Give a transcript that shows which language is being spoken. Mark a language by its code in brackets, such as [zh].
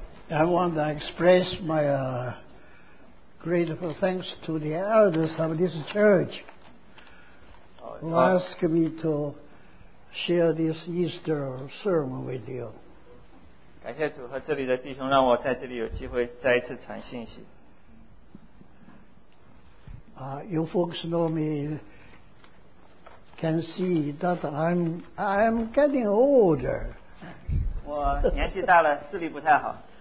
[en] I want to express my grateful thanks to the elders of this church who asked me to share this Easter sermon with you. [zh] 感谢主和这里的弟兄，让我在这里有机会再一次传信息。 [en] You folks know me can see that I'm getting older. [zh] 我年纪大了，视力不太好。